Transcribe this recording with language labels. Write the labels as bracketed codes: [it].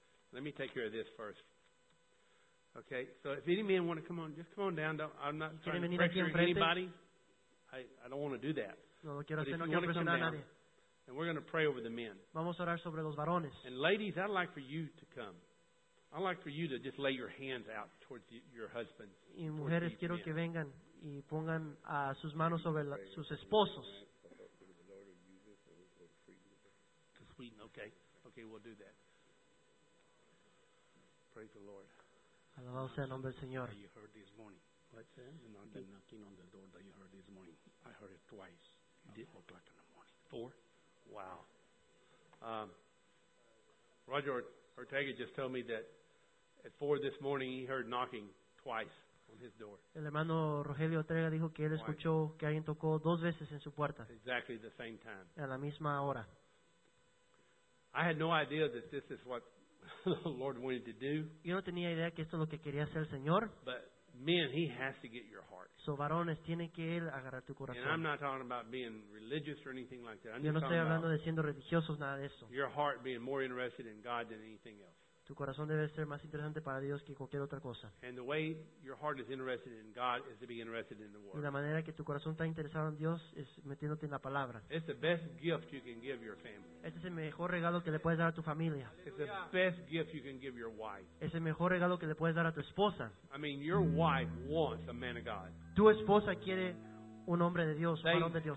[en] Let me take care of this first. Okay, so if any man want to come on, just come on down. I'm not trying to pressure anybody. I don't want to do that. [es] No, lo quiero hacer, no quiero presionar a nadie. [en] And we're going to pray over the men. [es] Vamos a orar sobre los varones. [en] And ladies, I'd like for you to come. I'd like for you to just lay your hands out towards your husband. [es] Y mujeres, quiero que vengan y pongan a sus manos sobre sus esposos. [en] Okay, we'll do that. Praise the Lord. [es] Alabado sea el nombre del Señor. [en] You heard this morning. What's that? The knocking on the door that you heard this morning. I heard it twice. You did? 4 o'clock in the morning. Four? Wow. Roger Ortega just told me that at 4 this morning he heard knocking twice on his door. [es] El hermano Rogelio Ortega dijo que él escuchó que alguien tocó dos veces en su puerta. [en] Exactly the same time. [es] A la misma hora. [en] I had no idea that this is what the Lord wanted to do. [es] Yo no tenía idea que esto es lo que quería hacer el Señor. [en] But men, he has to get your heart. [es] So, varones, tiene que él agarrar tu corazón. [en] And I'm not talking about being religious or anything like that. I'm [es] yo no estoy hablando de siendo religiosos, nada de eso. [en] Your heart being more interested in God than anything else. [es] Tu corazón debe ser más interesante para Dios que cualquier otra cosa. [en] And the way your heart is interested in God is to be interested in the Word. [es] Y la manera que tu corazón está interesado en Dios es metiéndote en la palabra. [en] It's the best gift you can give your family. [es] Este es el mejor regalo que le puedes dar a tu familia. [en] It's the best gift you can give your wife. [es] Es el mejor regalo que le puedes dar a tu esposa. [en] I mean, your wife wants a man of God. [es] Tu esposa quiere un hombre de Dios, un varón de Dios.